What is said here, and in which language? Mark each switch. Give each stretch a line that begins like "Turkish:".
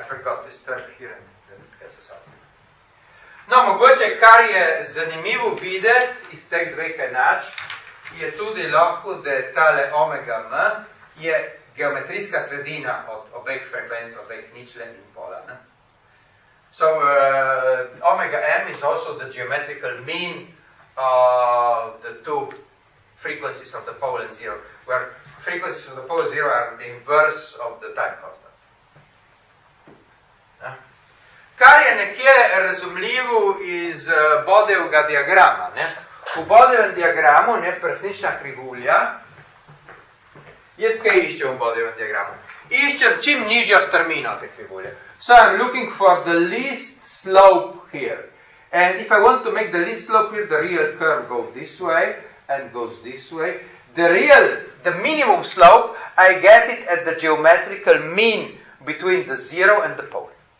English: I forgot this term here and then it gets us out.
Slovenian: No, mogoče, kar je zanimivo videti iz teh dveh enač, je tudi lahko, da je tale omega m je geometrijska sredina od obeh frekvenc, obeh ničlen in pola.
English: So, omega m is also the geometrical mean the two frequencies of the pole and zero, where frequencies of the pole zero are the inverse of the time constants.
Slovenian: Kar je nekje razumljivo iz Bodejevega diagrama. Ne? V Bodejevem diagramu, ne, presnična krivulja, jaz kaj iščem v Bodejevem diagramu? Iščem čim nižjo strmino te krivulje.
English: So I'm looking for the least slope here. And if I want to make the least slope here, the real curve goes this way and goes this way. The real, the minimum slope, I get it at the geometrical mean between the zero and the pole.